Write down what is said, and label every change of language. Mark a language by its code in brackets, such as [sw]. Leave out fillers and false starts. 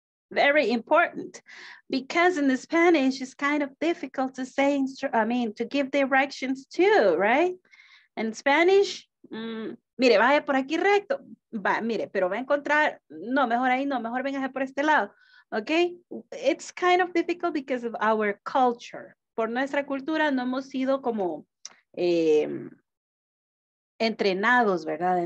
[en] Very important, because in Spanish it's kind of difficult to say, to give directions too, right? In Spanish, [es] mire, vaya por aquí recto, va, mire, pero va a encontrar, no, mejor ahí no, mejor venga por este lado, okay? [en] It's kind of difficult because of our culture. [es] Por nuestra cultura no hemos sido como entrenados, ¿verdad?